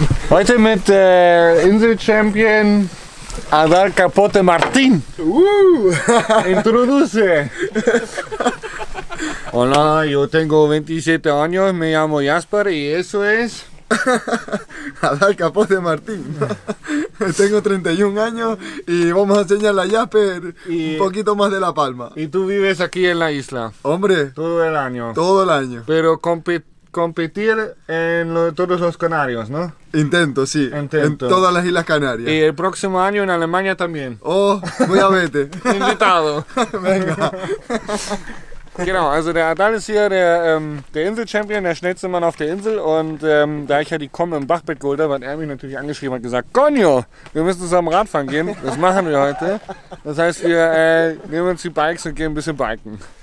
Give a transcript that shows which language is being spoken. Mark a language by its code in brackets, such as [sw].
[de] Heute mit der Insel-Champion Adal Capote Martin. [es] Introduce. Hola, yo tengo 27 años, me llamo Jasper y eso es... Adal Capote Martín. Tengo 31 años y vamos a enseñarle a Jasper un poquito más de la palma. ¿Y tú vives aquí en la isla? Hombre. ¿Todo el año? Todo el año. Pero competir en todos los Canarios, ¿no? Intento, sí. Intento. En todas las Islas Canarias. Y el próximo año en Alemania también. Oh, voy a verte. Invitado. Venga. [de] Genau, also der Adal ist hier der Insel-Champion, der schnellste Mann auf der Insel. Und da ich ja die Kombi im Bachbett geholt habe, hat er mich natürlich angeschrieben und gesagt, Conjo, wir müssen zusammen Radfahren gehen. Das machen wir heute. Das heißt, wir nehmen uns die Bikes und gehen ein bisschen biken.